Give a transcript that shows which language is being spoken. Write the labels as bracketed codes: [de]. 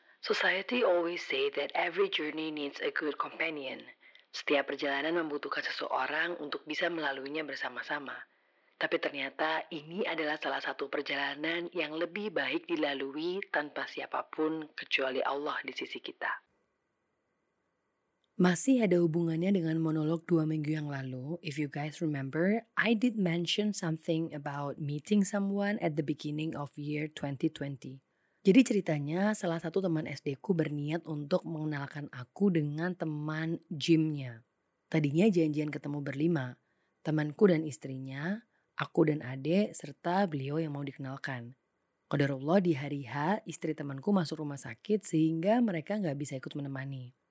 [en] Society always say that every journey needs a good companion. [id] Setiap perjalanan membutuhkan seseorang untuk bisa melaluinya bersama-sama. Tapi ternyata ini adalah salah satu perjalanan yang lebih baik dilalui tanpa siapapun kecuali Allah di sisi kita. Masih ada hubungannya dengan monolog 2 minggu yang lalu. [en] If you guys remember, I did mention something about meeting someone at the beginning of year 2020. [id] Jadi ceritanya salah satu teman SD-ku berniat untuk mengenalkan aku dengan teman gymnya. Tadinya janjian ketemu berlima, temanku dan istrinya, aku dan adik, serta beliau yang mau dikenalkan. Qadarullah di hari H, istri temanku masuk rumah sakit sehingga mereka gak bisa ikut menemani.